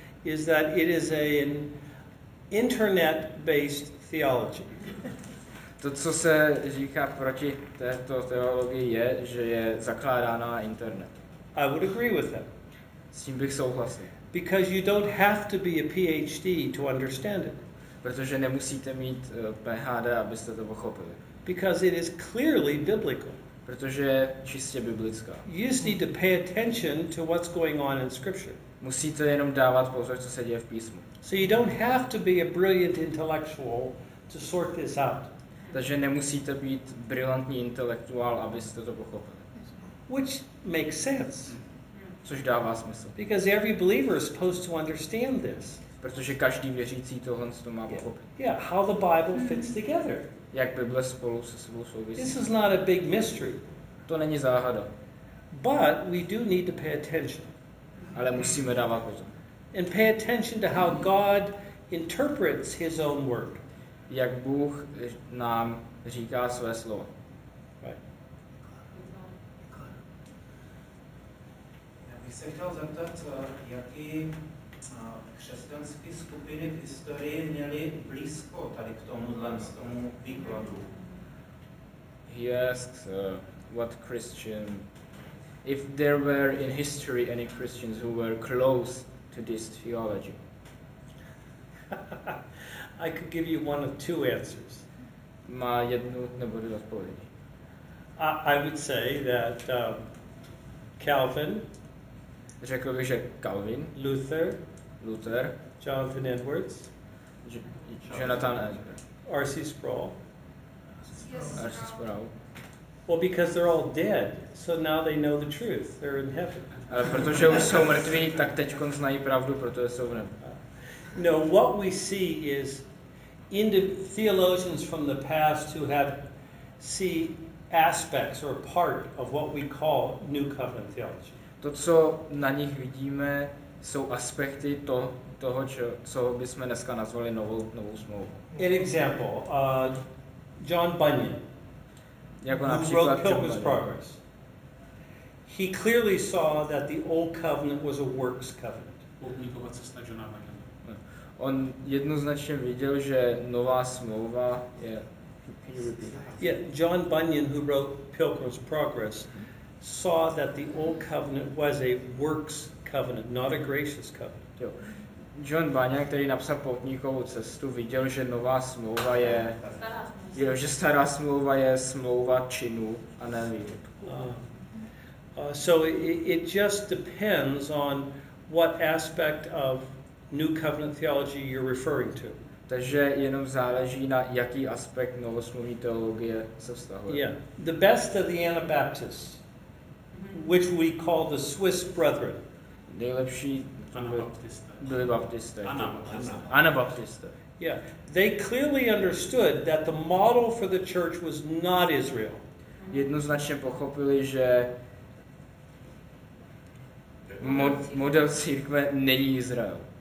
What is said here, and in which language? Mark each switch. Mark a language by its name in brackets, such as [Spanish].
[English] is that it is an internet-based theology. [Czech] To, co se říká proti této teologii, je, že je zakládána na internetu. [English] I would agree with them. [Czech] S tím bych souhlasil. [English] Because you don't have to be a PhD to understand it. [Czech] Protože nemusíte mít PhD, abyste to pochopili. [English] Because it is clearly biblical. [Czech] Protože je čistě biblická. [English] You just need to pay attention to what's going on in Scripture. [Czech] Musíte jenom dávat pozor, co se děje v písmu. [English] So you don't have to be a brilliant intellectual to sort this out. [Czech] Takže nemusíte být brilantní intelektuál, abyste to pochopili. [English] Which makes sense. [Czech] Což dává smysl. [English] Because every believer is supposed to understand this. [Czech] Protože každý věřící tohle má pochopit. [English] Yeah, how the Bible fits together. [Czech] Jak Bible spolu se sebou souvisí. [English] This is not a big mystery. [Czech] To není záhada. [English] But we do need to pay attention. [Czech] Ale musíme dávat pozor. [English] And pay attention to how God interprets his own word. [Czech] Jak Bůh nám říká své slovo. Já bych se chtěl zeptat, jaký křesťanské skupiny v historii měly blízko tady k tomuhle z tomu výkladu. [English] He asks what Christian, if there were in history any Christians who were close to this theology. I could give you one of two answers. [Czech] Má jednu nebo dvě odpovědi. [English] I would say that Calvin. [Czech] Řekl bych, že Calvin. [English] Luther. Jonathan Edwards. [Czech] Jonathan Edwards. [English] R.C. Sproul. [Czech] R.C. Sproul. [English] Well, because they're all dead, so now they know the truth. They're in heaven. [Czech] Protože už jsou mrtví, tak teďkon znají pravdu, protože jsou v nebi. [English] No, what we see is theologians from the past who have see aspects or part of what we call New Covenant theology. [Czech] To, co na nich vidíme, jsou aspekty toho, co bychom dneska nazvali novou smlouvu. [English] An example, John Bunyan, [Czech] jako [English] who wrote Pilgrim's Progress. He clearly saw that the Old Covenant was a works covenant. [Czech] On jednoznačně viděl, že nová smlouva je. [English] Yeah, John Bunyan, who wrote Pilgrim's Progress, saw that the Old Covenant was a works covenant, not a gracious covenant. [Czech] Jo. John Bunyan, který napsal Poutníkovou cestu, viděl, že nová smlouva je, že stará smlouva je smlouva činu a ne víry. [English] So it just depends on what aspect of New Covenant theology you're referring to. [Czech] Takže jenom záleží na jaký aspekt novosmluvní teologie se vztahuje. [English] Yeah. The best of the Anabaptists, which we call the Swiss Brethren. [Czech] Nejlepší byli Baptisté. Anabaptisté. [English] Yeah. They clearly understood that the model for the church was not Israel. [Czech] Jednoznačně pochopili, že model církve není Izrael.